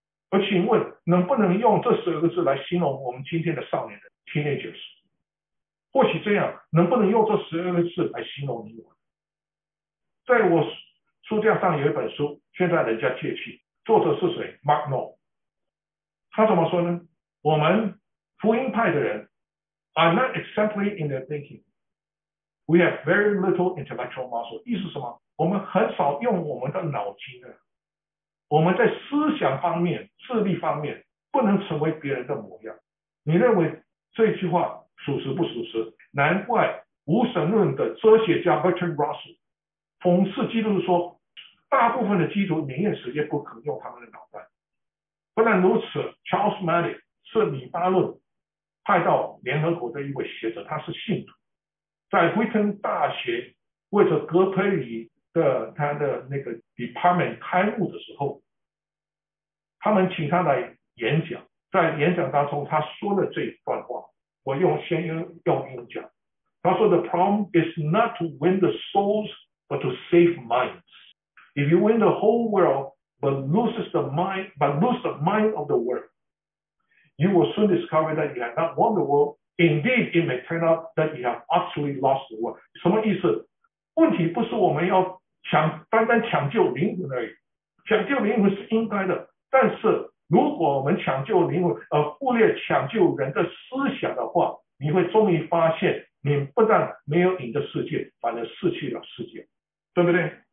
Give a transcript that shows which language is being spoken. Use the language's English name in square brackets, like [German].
[Chinese] 我请问，能不能用这十二个字来形容我们今天的少年人 teenagers？或许这样，能不能用这十二个字来形容你我？在我书架上有一本书，现在人家借去。作者是谁 ？Mark Noll。他怎么说呢？我们福音派的人 [English] are not exemplary in their thinking。 We have very little intellectual muscle， [Chinese] 意思是什么？我们很少用我们的脑筋的，我们在思想方面、智力方面不能成为别人的模样。你认为这句话属实不属实？难怪无神论的哲学家 Bertrand Russell 讽刺基督徒说，大部分的基督徒宁愿死也不肯用他们的脑袋。不然如此 ，Charles Manning 是米巴论派到联合国的一位学者，他是信徒。在惠特大学为着格培里的他的那个 department 开幕的时候，他们请他来演讲，在演讲当中他说了这一段话，我先用英文讲。他说 [English] ：“The problem is not to win the souls, but to save minds. If you win the whole world but lose the mind of the world, you will soon discover that you have not won the world.” Indeed, it may turn out that you have actually lost the world. [Chinese] 什么意思？问题不是我们要抢，单单抢救灵魂而已。抢救灵魂是应该的，但是如果我们抢救灵魂而忽略抢救人的思想的话，你会终于发现，你不但没有赢得世界，反而失去了世界，对不对？